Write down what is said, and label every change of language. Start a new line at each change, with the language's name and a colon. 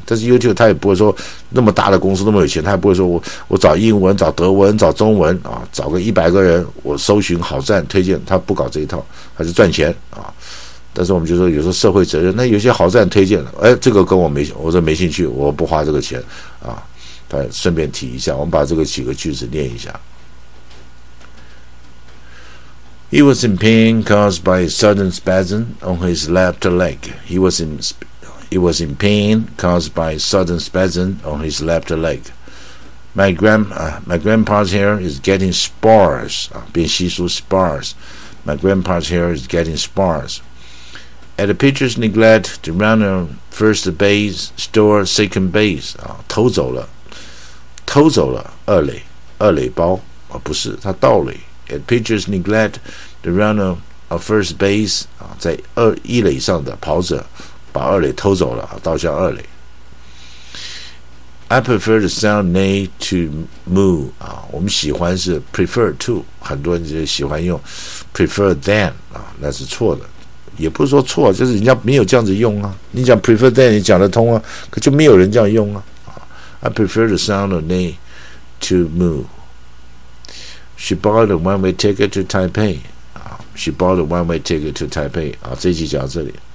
Chinese: 但是 YouTube 他也不会说那么大的公司那么有钱，他也不会说我找英文、找德文、找中文啊，找个一百个人我搜寻好站推荐，他不搞这一套，他是赚钱啊。但是我们就说有时候社会责任，那有些好站推荐了，哎，这个跟我说没兴趣，我不花这个钱啊。但顺便提一下，我们把这个几个句子念一下。
English: He was in pain caused by a sudden spasm on his left leg. He was in pain caused by a sudden spasm on his left leg. My grandpa's hair is getting sparse.
Chinese: 变稀疏
English: sparse. My grandpa's hair is getting sparse. At the pitcher's neglect, the runner first base, store second base,
Chinese: 偷走了二垒包、啊、不是他盗垒。
English: At the pitcher's neglect, the runner of first base,
Chinese: 在一垒上的跑者把二垒偷走了、啊、倒向二垒。
English: I prefer the sound nay to moo,、
Chinese: 啊、我们喜欢是 prefer to, 很多人就喜欢用 prefer than,、啊、那是错的。也不是说错，就是人家没有这样子用啊。你讲 prefer than 你讲得通啊，可就没有人这样用啊。
English: I prefer the sound of nay to moo. She bought a one-way ticket to Taipei. She bought a one-way ticket to Taipei.
Chinese: 这一集讲到这里。